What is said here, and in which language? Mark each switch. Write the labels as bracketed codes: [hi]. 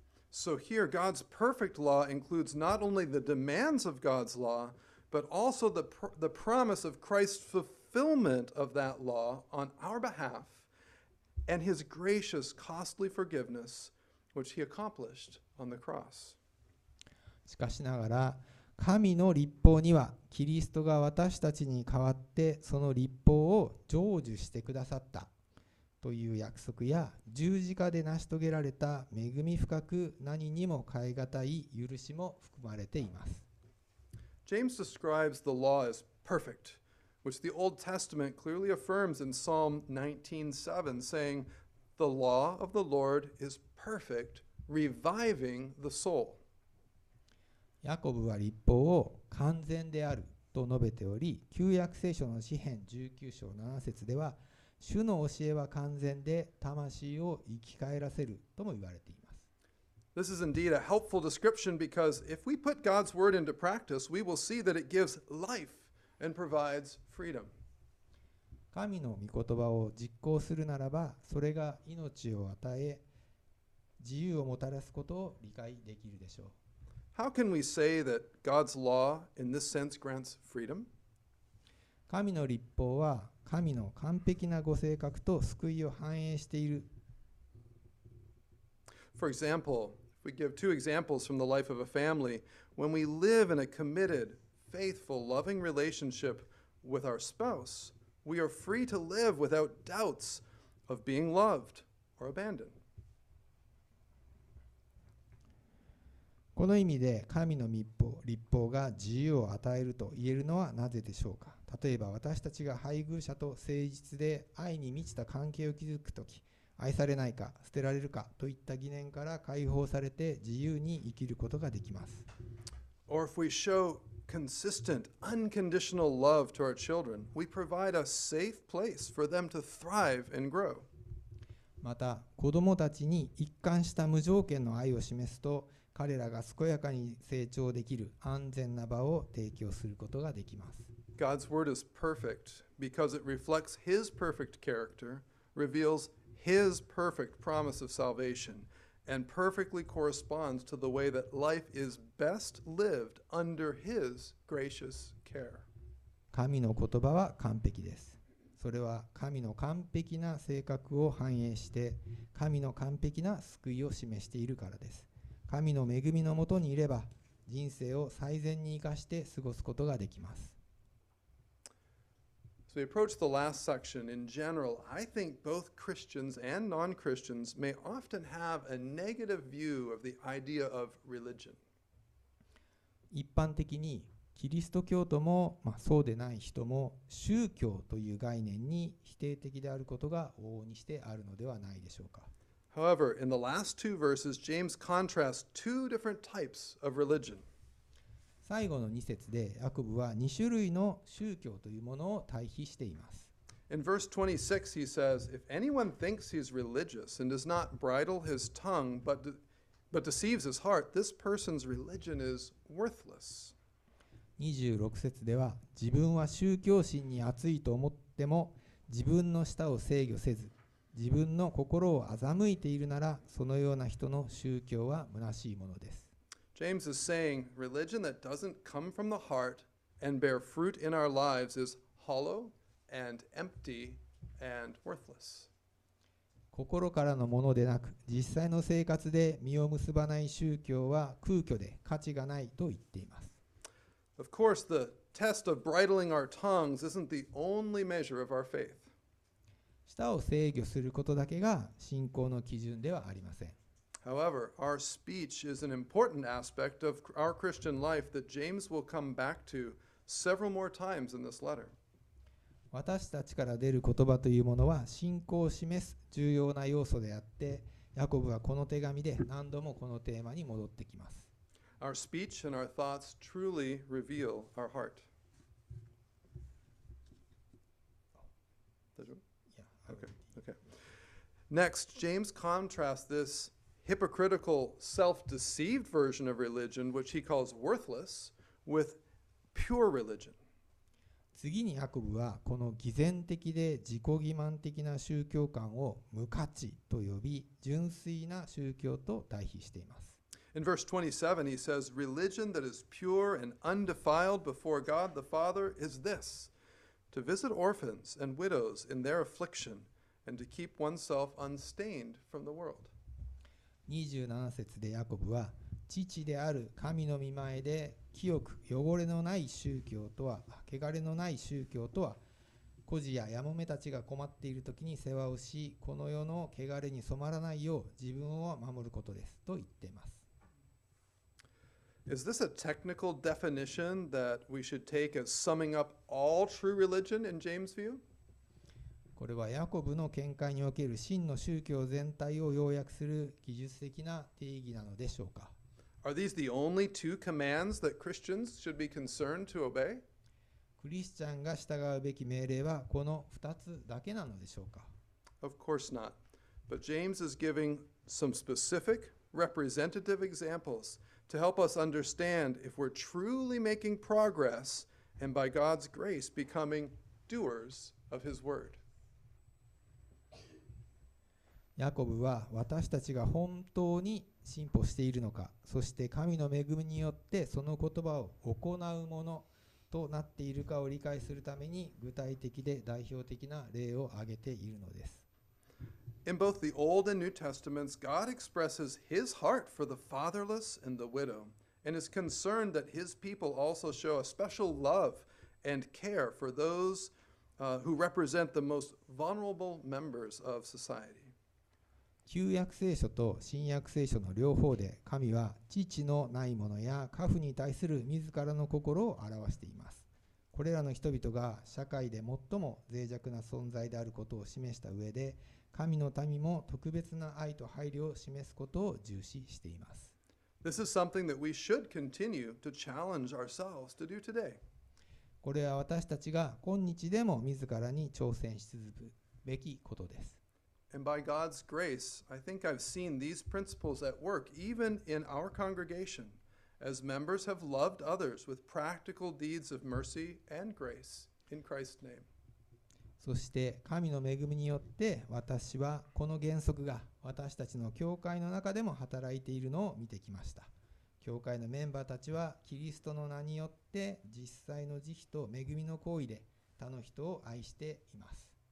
[en] So here, God's perfect law includes not only the demands of God's law. But also the promise of Christ's fulfillment of that law on our behalf and his gracious, costly forgiveness, which he accomplished on the cross. [ja] しかしながら、神の律法には、キリストが私たちに代わってその律法を成就してくださったという約束や、十字架で成し遂げられた恵み深く何にも代え難い許しも含まれています。 [en] James describes the law as perfect, which the Old Testament clearly affirms in Psalm 19:7, saying, "The law of the Lord is perfect, reviving the soul." [ja] ヤコブは律法を完全であると述べており、旧約聖書の詩篇19章7節では、主の教えは完全で魂を生き返らせるとも言われています。 [en] This is indeed a helpful description because if we put God's word into practice, we will see that it gives life and provides freedom. [ja] 神の御言葉を実行するならば、それが命を与え、自由をもたらすことを理解できるでしょう。 [en] How can we say that God's law in this sense grants freedom? [ja] 神の律法は神の完璧なご性格と救いを反映している。 [en] For example, if we give two examples from the life of a family, when we live in a committed, faithful, loving relationship with our spouse, we are free to live without doubts of being loved or abandoned. [ja] この意味で神の律法が自由を与えると言えるのはなぜでしょうか。例えば私たちが配偶者と誠実で愛に満ちた関係を築くとき、愛されないか捨てられるかといった疑念から解放されて自由に生きることができます。 [en] Or if we show consistent, unconditional love to our children, we provide a safe place for them to thrive and grow. [ja] また子供たちに一貫した無条件の愛を示すと、彼らが健やかに成長できる安全な場を提供することができます。 [en] God's word is perfect because it reflects His perfect character, reveals His perfect promise of salvation, and perfectly corresponds to the way that life is best lived under His gracious care. [ja] 神の言葉は完璧です。それは神の完璧な性格を反映して、神の完璧な救いを示しているからです。神の恵みのもとにいれば、人生を最善に生かして過ごすことができます。 [en] So we approach the last section. In general, I think both Christians and non-Christians may often have a negative view of the idea of religion. [ja] 一般的にキリスト教徒も、まあ、そうでない人も宗教という概念に否定的であることが往々にしてあるのではないでしょうか。 [en] However, in the last two verses, James contrasts two different types of religion. [ja] 最後の2節でヤコブは2種類の宗教というものを対比しています。 [en] In verse 26 he says, If anyone thinks he is religious and does not bridle his tongue but deceives his heart, this person's religion is worthless. [ja] 26節では自分は宗教心に熱いと思っても自分の舌を制御せず自分の心を欺いているなら、そのような人の宗教は虚しいものです。 [en] James is saying, religion that doesn't come from the heart and bear fruit in our lives is hollow and empty and worthless. [ja] 心からのものでなく、実際の生活で実を結ばない宗教は空虚で価値がないと言っています。 [en] Of course, the test of bridling our tongues isn't the only measure of our faith. [ja] 舌を制御することだけが信仰の基準ではありません。 [en] However, our speech is an important aspect of our Christian life that James will come back to several more times in this letter. [ja] 私たちから出る言葉というものは信仰を示す重要な要素であって、ヤコブはこの手紙で何度もこのテーマに戻ってきます。 [en] Our speech and our thoughts truly reveal our heart. [ja] 大丈夫? [en] Yeah. Okay. Next, James contrasts this. Hypocritical, self-deceived version of religion, which he calls worthless, with pure religion. [ja] 次にヤコブはこの偽善的で自己欺瞞的な宗教観を無価値と呼び、純粋な宗教と対比しています。 [en] In verse 27, he says, "Religion that is pure and undefiled before God the Father is this: to visit orphans and widows in their affliction, and to keep oneself unstained from the world." [ja] 27節でヤコブは父である神の御前で清く汚れのない宗教とは汚れのない宗教とは孤児やヤモメたちが困っている時に世話をしこの世の汚れに染まらないよう自分を守ることですと言っています。 [en] Is this a technical definition that we should take as summing up all true religion in James' view? [ja] これはヤコブの見解における真の宗教全体を要約する技術的な定義なのでしょうか。 [en] Are these the only two commands that Christians should be concerned to obey? [ja] クリスチャンが従うべき命令はこの2つだけなのでしょうか。 [en] Of course not. But James is giving some specific representative examples to help us understand if we're truly making progress and by God's grace becoming doers of his word. [ja] ヤコブは私たちが本当に信仰しているのか、そして神の恵みによってその言葉を行うものとなっているかを理解するために具体的で代表的な例を挙げているのです。 [en] In both the Old and New Testaments, God expresses his heart for the fatherless and the widow, and is concerned that his people also show a special love and care for those who represent the most vulnerable members of society. [ja] 旧約聖書と新約聖書の両方で神は父のない者や家父に対する自らの心を表しています。これらの人々が社会で最も脆弱な存在であることを示した上で、神の民も特別な愛と配慮を示すことを重視しています。 [en] This is something that we should continue to challenge ourselves to do today. [ja] これは私たちが今日でも自らに挑戦し続くべきことです。 [en] And by God's grace, I think I've seen these principles at work even in our congregation, as members have loved others with practical deeds of mercy and grace in Christ's name. [ja] そして神の恵みによって私はこの原則が私たちの教会の中でも働いているのを見てきました。教会のメンバーたちはキリストの名によって実際の慈悲と恵みの行為で他の人を愛しています。